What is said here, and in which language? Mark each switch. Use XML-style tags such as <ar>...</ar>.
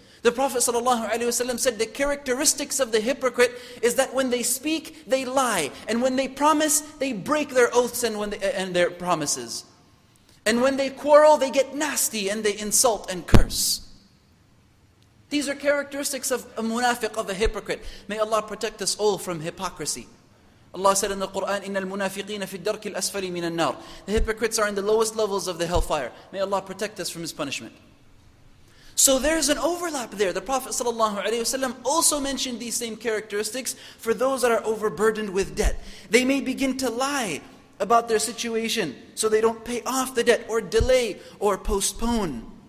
<en>The Prophet sallallahu alaihi wasallam said the characteristics of the hypocrite is that when they speak, they lie. And when they promise, they break their oaths and their promises. And when they quarrel, they get nasty and they insult and curse. These are characteristics of a munafiq, of a hypocrite. May Allah protect us all from hypocrisy.</en> <ar>Allah</ar> <en>said in the Quran,</en> <ar>إِنَّ الْمُنَافِقِينَ فِي الدَّرْكِ الْأَسْفَلِ مِنَ النَّارِ.</ar> <en>The hypocrites are in the lowest levels of the hellfire. May Allah protect us from His punishment. So there's an overlap there. The Prophet ﷺ also mentioned these same characteristics for those that are overburdened with debt. They may begin to lie about their situation so they don't pay off the debt, or delay or postpone.</en>